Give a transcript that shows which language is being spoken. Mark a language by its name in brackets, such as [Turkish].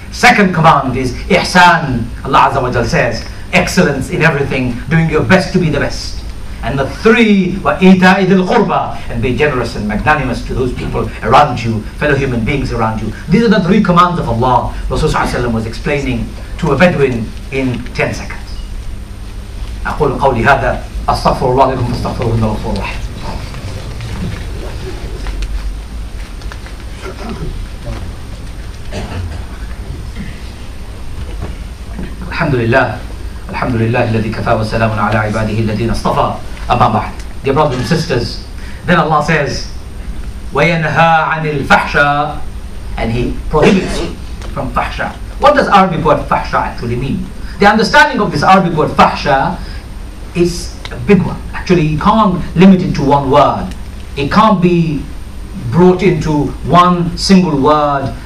[English] Second command is Ihsan. Allah Azza wa Jal says, excellence in everything, doing your best to be the best. And the three, [Arabic] wa ita'i dil qurba, [English] and be generous and magnanimous to those people around you, fellow human beings around you. These are the three commands of Allah. Rasulullah Sallallahu Alaihi Wasallam was explaining to a Bedouin in 10 seconds. [Arabic] أقول قولي هذا أستغفر الله لكم فاستغفروا إنه غفور رحيم. الحمد لله الذي كفى وسلام على عباده الذين اصطفى أما بعد. [English] Dear brothers and sisters, then Allah says, [Arabic] وينهى عن الفحشاء, [English] and He prohibits from فحشاء. What does Arabic word فحشاء actually mean? The understanding of this Arabic word فحشاء is a big one. Actually, it can't limit it to one word. It can't be brought into one single word.